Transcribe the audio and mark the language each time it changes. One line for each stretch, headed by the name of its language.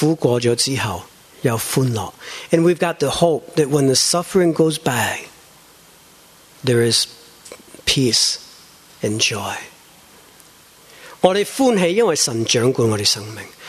Chinese: 我们有盼望，痛苦过了之后有欢乐.
English: And we've got the hope that when the suffering goes by, there is peace and joy.
Chinese: 我们欢喜，因为神掌管我们生命.